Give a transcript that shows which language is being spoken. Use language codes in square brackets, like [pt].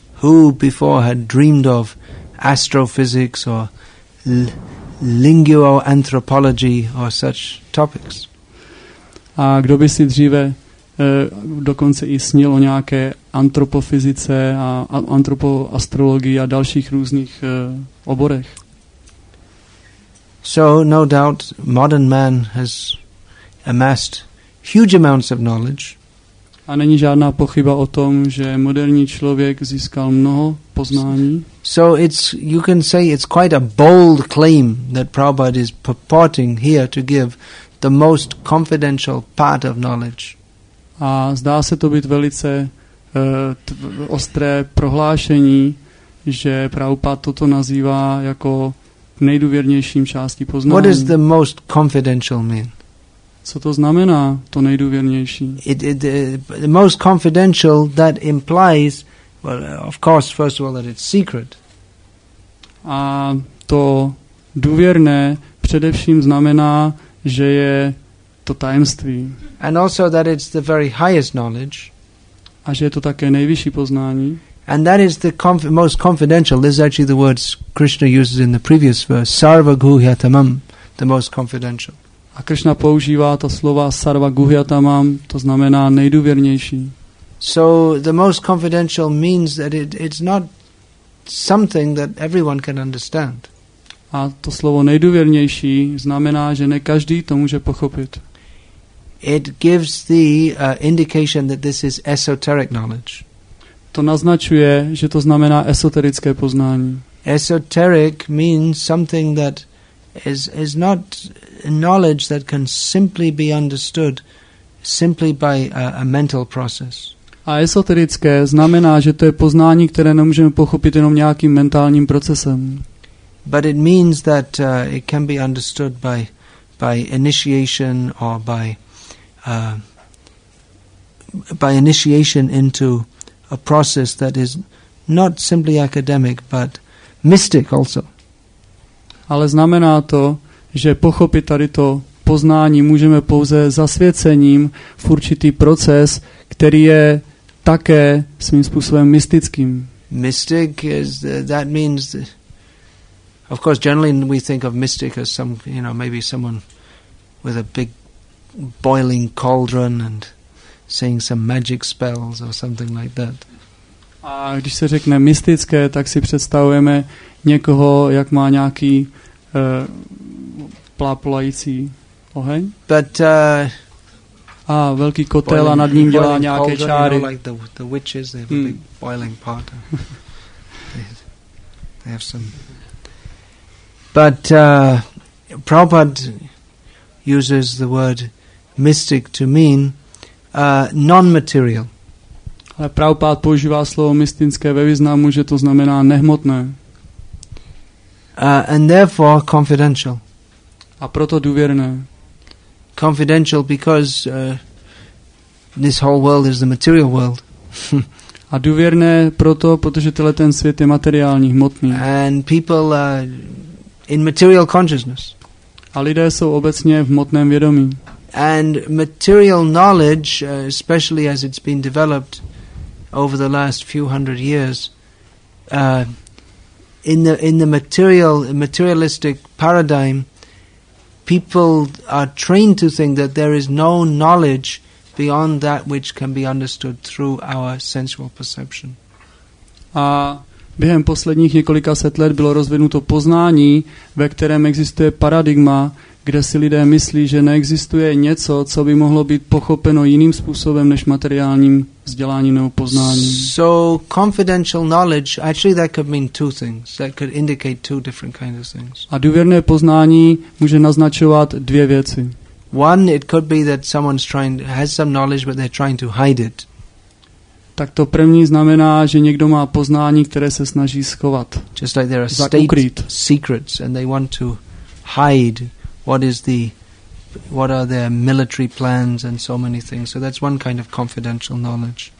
[en] Who before had dreamed of astrophysics or lingoanthropology or such topics? [cs] A kdo by si dříve dokonce i snil o nějaké antropofyzice a antropoastrologii a dalších různých oborech? [en] So no doubt modern man has amassed huge amounts of knowledge. [cs] A není žádná pochyba o tom, že moderní člověk získal mnoho poznání. [en] So it's, you can say it's quite a bold claim that Prabhupada is purporting here to give the most confidential part of knowledge. [cs] A zdá se to být velice ostré prohlášení, že Prabhupada toto nazývá jako nejdůvěrnějším částí poznání. [en] What is the most confidential mean? [cs] Co to znamená, to nejdůvěrnější? [en] The most confidential, that implies, well, of course, first of all, that it's secret. [cs] A to důvěrné především znamená, že je to tajemství. [en] And also that it's the very highest knowledge. [cs] A že je to také nejvyšší poznání. [en] And that is the most confidential. This is actually the words Krishna uses in the previous verse. Sarva guhyatamam, the most confidential. [cs] A Krishna používá to slova sarva guhyatamam, to znamená nejdůvěrnější. [en] So the most confidential means that it's not something that everyone can understand. [cs] A to slovo nejdůvěrnější znamená, že ne každý to může pochopit. [en] It gives the indication that this is esoteric knowledge. [cs] To naznačuje, že to znamená esoterické poznání. [en] Esoteric means something that is not knowledge that can simply be understood simply by a mental process. [cs] A esoterické znamená, že to je poznání, které nemůžeme pochopit jenom nějakým mentálním procesem. [en] But it means that it can be understood by initiation or by initiation into a process that is not simply academic but mystic also. [cs] Ale znamená to, že pochopit tady to poznání můžeme pouze zasvěcením v určitý proces, který je také svým způsobem mystickým. [en] Mystic is that means the, of course generally we think of mystic as some, you know, maybe someone with a big boiling cauldron and saying some magic spells or something like that. [cs] A když se řekne mystické, tak si představujeme někoho, jak má nějaký plapolající oheň. [en] But [cs] a velký kotel [en] boiling, [cs] a nad ním dělá nějaké [en] cauldron, [cs] čáry. [en] You know, like the witches, they have a big boiling pot. They have some. But Prabhupada uses the word mystic to mean non-material. [cs] Ale Prabhupád používá slovo mystické ve významu, že to znamená nehmotné. [en] And therefore confidential. [cs] A proto důvěrné. [en] Confidential because this whole world is the material world. [cs] A důvěrné proto, protože tenhle ten svět je materiální, hmotný. [en] And people in material consciousness. [cs] A lidé jsou obecně v hmotném vědomí. [en] And material knowledge, especially as it's been developed over the last few hundred years, in the materialistic paradigm, people are trained to think that there is no knowledge beyond that which can be understood through our sensual perception. [cs] A během posledních několika set let bylo rozvinuto poznání, ve kterém existuje paradigma, kde si lidé myslí, že neexistuje něco, co by mohlo být pochopeno jiným způsobem než materiálním vzděláním nebo poznáním. [en] So confidential knowledge, actually that could mean two things. That could indicate two different kinds of things. [cs] A důvěrné poznání může naznačovat dvě věci. [en] One, it could be that someone's trying has some knowledge, but they're trying to hide it. [cs] Tak to první znamená, že někdo má poznání, které se snaží schovat. [en] Just like there are state secrets and they want to hide what are their military plans and so many things. So that's one kind of confidential knowledge.